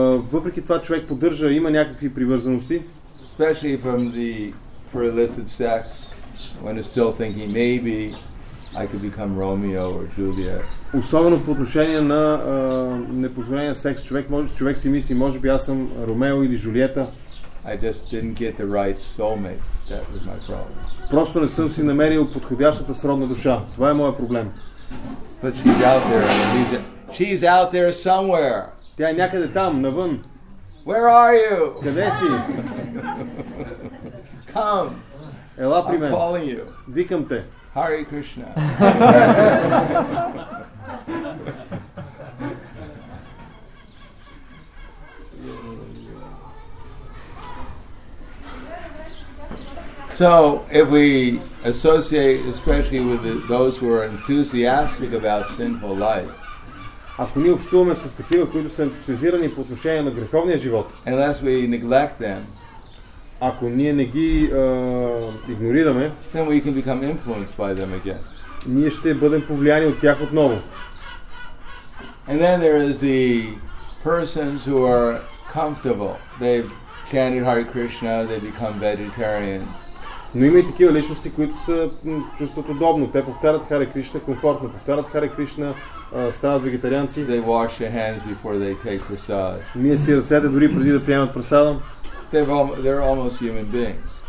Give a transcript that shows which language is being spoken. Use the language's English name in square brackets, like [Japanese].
[Bulgarian] въпреки това човек поддържа, има някакви привързаности. [English] Especially from the for illicit sex, when it's still thinking maybe I could become Romeo or Juliet. [Bulgarian] Особено по отношение на непозволения секс, човек си мисли, може би аз съм Ромео или Джулиета. [English] I just didn't get the right soulmate. That was my problem. [Bulgarian] Просто не съм си намерил подходящата сродна душа. Това е моят проблем. [English] But she's out there. She's out there somewhere. [Bulgarian] Тя е някъде там, навън. [English] Where are you? [Bulgarian] Къде си? [English] Come. [Bulgarian] Ела при мен. [English] I'm calling you. [Bulgarian] Викам те. [English] Hare Krishna. So, if we associate especially with those who are enthusiastic about sinful life, [Bulgarian] ако ние общуваме с такива, които са ентусиазирани по отношение на греховния живот, [English] unless we neglect them, [Bulgarian] ако ние не ги игнорираме, [English] then we can become influenced by them again. [Bulgarian] Ние ще бъдем повлияни от тях отново. [English] And then there is the persons who are comfortable. They've chanted Hare Krishna, they become vegetarians. [Bulgarian] Но има и такива личности, които се чувстват удобно. Те повтарят Харе Кришна, комфортно повтарят Харе Кришна, стават вегетарианци. [English] They wash their hands before they take prasad. [Bulgarian] Мият си ръцете дори преди да приемат прасадам. [English] They're almost human beings.